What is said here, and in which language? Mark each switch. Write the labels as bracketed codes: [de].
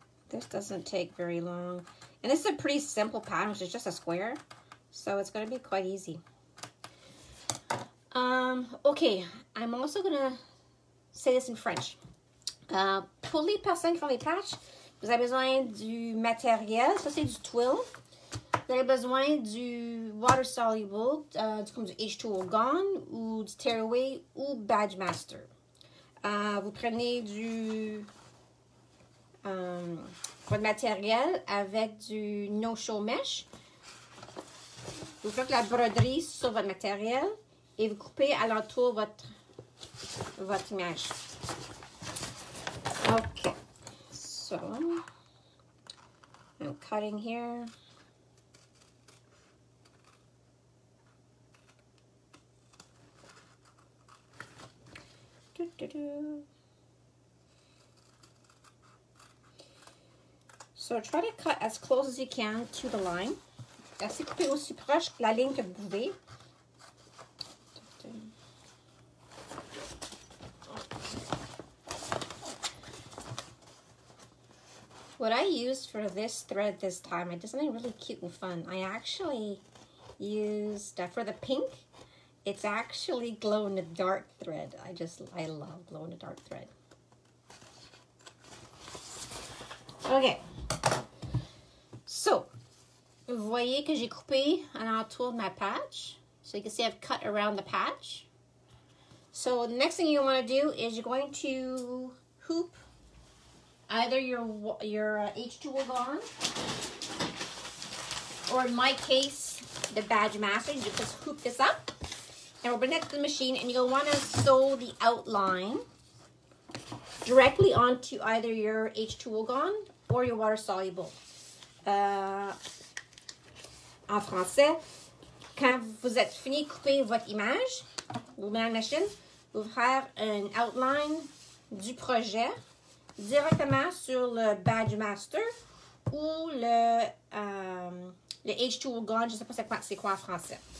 [en] This doesn't take very long. And this is a pretty simple pattern, which is just a square. So it's going to be quite easy. Okay. I'm also going to say this in French. [fr] Pour les personnes qui font les patchs, vous avez besoin du matériel, ça c'est du twill. Vous avez besoin du water soluble, comme du H2O Gone ou du Tearaway ou Badge Master. Vous prenez du votre matériel avec du no-show mesh. Vous faites la broderie sur votre matériel et vous coupez à l'entour votre mesh. [en] Okay, so I'm cutting here. So try to cut as close as you can to the line. [fr] Essayez de couper aussi proche que la ligne que vous voulez. [en] What I used for this thread this time, I did something really cute and fun. I actually used, for the pink, it's actually glow-in-the-dark thread. I love glow-in-the-dark thread. Okay. [fr] So, vous voyez que j'ai coupé un entour de ma patch. [en] So you can see I've cut around the patch. So the next thing you want to do is you're going to hoop either your H2O Gone, or in my case, the Badge Master. You just hoop this up, and we'll bring that to the machine, and you'll want to sew the outline directly onto either your H2O Gone or your water soluble. [fr] En français, quand vous êtes fini de couper votre image, vous mettez la machine, vous faire un outline du projet directement sur le Badge Master ou le H2O Gone, je ne sais pas c'est quoi en français.